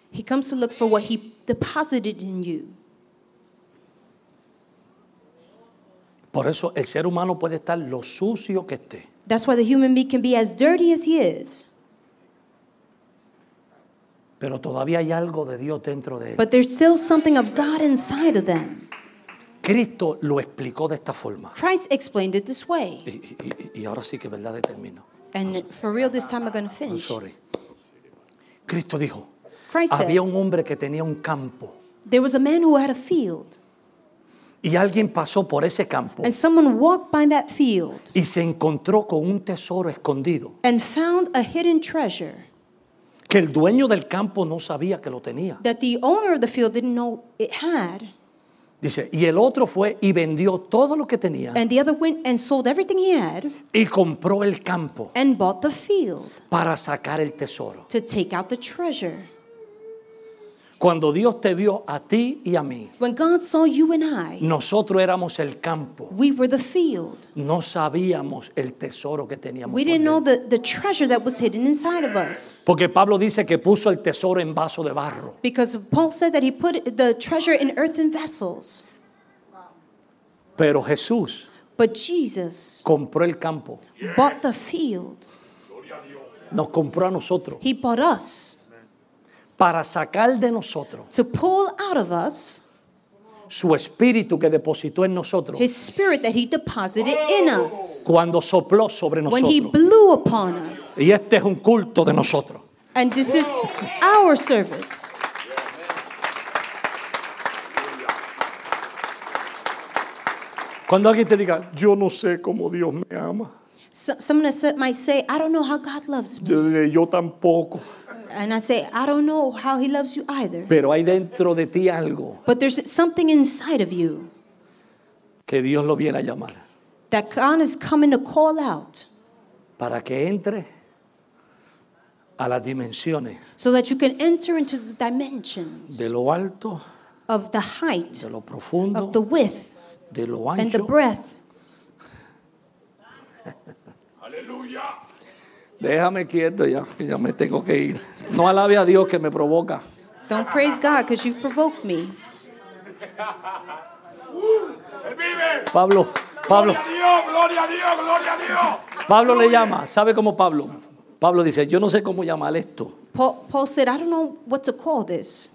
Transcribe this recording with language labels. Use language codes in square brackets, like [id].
[en] He comes to look for what he deposited in you. [es] Por eso el ser humano puede estar lo sucio que esté. [en] That's why the human being can be as dirty as he is. [es] Pero todavía hay algo de Dios dentro de él. [en] But there's still something of God inside of them. [es] Cristo lo explicó de esta forma. [en] Christ explained it this way. [es] Y ahora sí que verdad termino. [en] And for real this time I'm going to finish. I'm sorry. [es] Cristo dijo. [en] Christ [es] había [en] said, [es] un hombre que tenía un campo. [en] There was a man who had a field. [es] Y alguien pasó por ese campo. [en] And someone walked by that field. [es] Y se encontró con un tesoro escondido. [en] And found a hidden treasure. [es] Que el dueño del campo no sabía que lo tenía. [en] That the owner of the field didn't know it had. [es] Dice, y el otro fue y vendió todo lo que tenía. [en] And the other went and sold everything he had. [es] Y compró el campo. [en] And bought the field. [es] Para sacar el tesoro. [en] To take out the treasure. [es] Cuando Dios te vio a ti y a mí. [en] When God saw you and I. [es] Nosotros éramos el campo. [en] We were the field. [es] No sabíamos el tesoro que teníamos. [en] We didn't know the treasure that was hidden inside of us. [es] Porque Pablo dice que puso el tesoro en vaso de barro. [en] Because Paul said that he put the treasure in earthen vessels. [es] Pero Jesús. [en] But Jesus. [es] Compró el campo. [en] Bought the field. [es] Nos compró a nosotros. [en] He bought us. [es] Para sacar de nosotros. [en] To pull out of us. [es] Su espíritu que depositó en nosotros. [en] His spirit that he deposited in us. [es] Cuando sopló sobre nosotros. [en] When he blew upon us. [es] Y este es un culto de nosotros. [en] And this is our service. [es] Cuando alguien te diga, yo no sé cómo Dios me ama. [en] Someone might say, I don't know how God loves me. [es] Yo tampoco. [en] And I say, I don't know how he loves you either. [es] Pero hay dentro de ti algo. [en] But there's something inside of you. [es] Que Dios lo viene a llamar. [en] That God is coming to call out. [es] Para que entre a las dimensiones. [en] So that you can enter into the dimensions. [es] De lo alto. [en] Of the height. [es] De lo profundo. [en] Of the width. [es] De lo ancho. [en] And the breadth. [es] Aleluya. Déjame quieto ya, ya me tengo que ir. No alabe a Dios que me provoca. [en] Don't praise God because you've provoked me. [es] Pablo. Gloria a Dios, gloria a Dios, gloria a Dios. Pablo le llama, ¿sabe cómo Pablo? Pablo dice, yo no sé cómo llamar esto. [en] Paul said, I don't know what to call this.